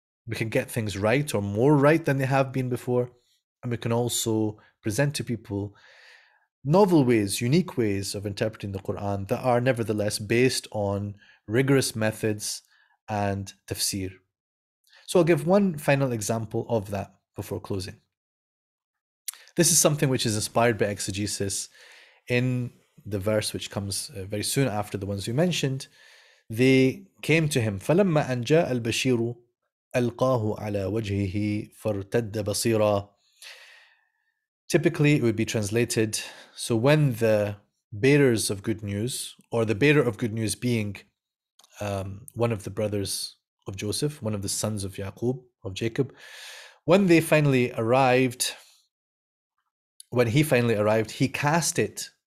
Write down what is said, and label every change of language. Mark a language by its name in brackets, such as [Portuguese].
[English] We can get things right or more right than they have been before. And we can also present to people novel ways, unique ways of interpreting the Quran that are nevertheless based on rigorous methods and tafsir. So I'll give one final example of that before closing. This is something which is inspired by exegesis in the verse which comes very soon after the ones you mentioned. They came to him, [Arabic] فَلَمَّا أَنْ جَاءَ الْبَشِيرُ أَلْقَاهُ عَلَى وَجْهِهِ فَارْتَدَّ بَصِيرًا. [English] Typically, it would be translated, so when the bearers of good news, or the bearer of good news being one of the brothers of Joseph, one of the sons of Yaqub, of Jacob, when they finally arrived, when he finally arrived, he cast it.